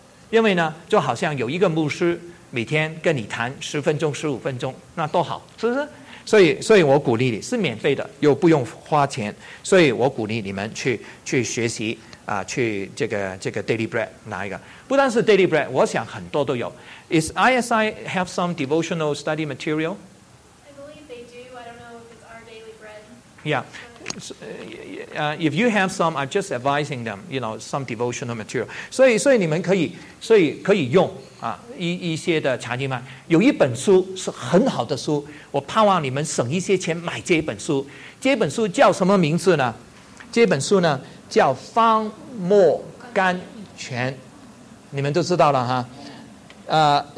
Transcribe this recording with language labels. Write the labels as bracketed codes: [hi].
[zh] 因为呢，就好像有一个牧师每天跟你谈10分钟、15分钟，那多好，是不是？所以我鼓励你，是免费的，又不用花钱，所以我鼓励你们去学习。啊，去这个 Daily Bread 拿一个，不单是 Daily Bread， 我想很多都有。 [en] Is ISI have some devotional study material? I believe they do. I don't know if it's our Daily Bread. Yeah. If you have some, I'm just advising them. You know, some devotional material. [zh] 所以你们可以用啊一些的查经班。有一本书是很好的书，我盼望你们省一些钱买这一本书。这本书叫什么名字呢？这本书呢？叫方墨甘泉，你们都知道了哈。